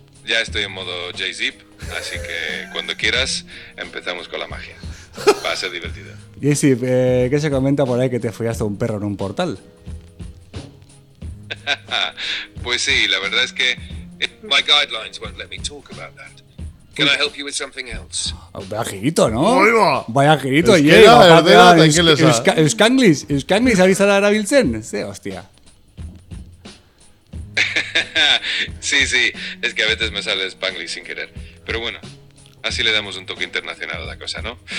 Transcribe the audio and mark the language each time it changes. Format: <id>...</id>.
<es>Ya estoy en modo J-Zip, así que cuando quieras empezamos con la magia. Va a ser divertido. J-Zip, ¿qué se comenta por ahí que te follaste un perro en un portal? Pues sí, la verdad es que...</es> <en>My guidelines won't let me talk about that. Can I help you with something else?</en> <es>Vaya girito, ¿no? ¡Oiga! Vaya girito, ye. Es que la verdad, tranquiles. Euskanglis, Euskanglis, ¿habéis hablado a Biltzen? Sí, hostia. Sí, sí, es que a veces me sale Spanglish sin querer. Pero bueno, así le damos un toque internacional a la cosa, ¿no?</es>